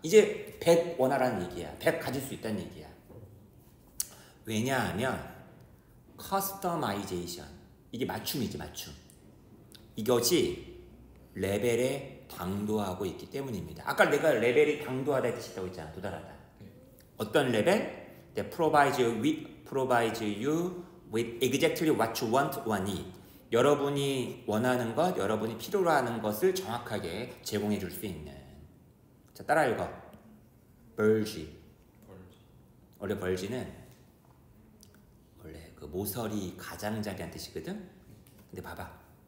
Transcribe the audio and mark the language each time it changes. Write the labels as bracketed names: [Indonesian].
[Korean] 이제 100 원하라는 얘기야. 100 가질 수 있다는 얘기야. 왜냐하면 커스터마이제이션, 이게 맞춤이지, 맞춤. 이것이 레벨에 당도하고 있기 때문입니다. 아까 내가 레벨이 당도하다 했다고 했잖아, 도달하다. 어떤 레벨? [English] That provides you with exactly what you want or need. [Korean] 여러분이 원하는 것, 여러분이 필요로 하는 것을 정확하게 제공해 줄 수 있는. 자, 따라 읽어. Bulge. 원래 Bulge는 그 모서리 가장자리한 뜻이거든? 근데 봐봐.